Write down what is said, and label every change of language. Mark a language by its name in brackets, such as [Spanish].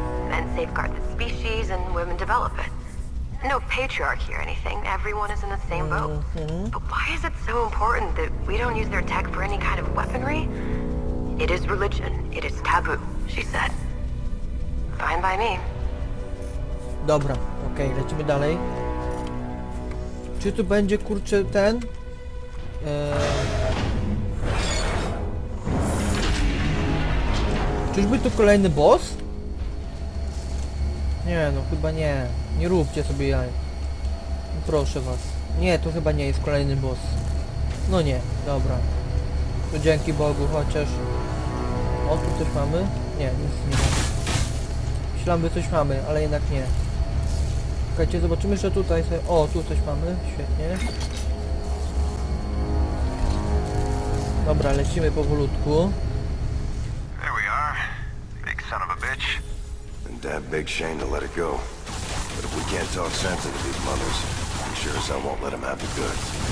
[English] Men safeguard the species and women develop it. No patriarchy or anything, everyone is in the same boat. But why is it so important that we don't use their tech for any kind of weaponry? It is religion, it is taboo, she said. Fine by me. [Polish] Dobra, okej, okay, lecimy dalej. Czy tu będzie, kurczę, ten? Czyżby tu kolejny boss? Nie, no chyba nie. Nie róbcie sobie jaj. Proszę was. Nie, to chyba nie jest kolejny boss. No nie, dobra. To dzięki Bogu, chociaż... O, tu coś mamy? Nie, nic nie ma. Myślałem, że coś mamy, ale jednak nie. Czekajcie, zobaczymy, że tutaj sobie... O, tu coś mamy, świetnie. Dobra, lecimy powolutku. [English] Here we are. Big son of a bitch. And that big shame to let it go. But if we can't talk sense into these mothers, I'm sure as I won't let them have the goods.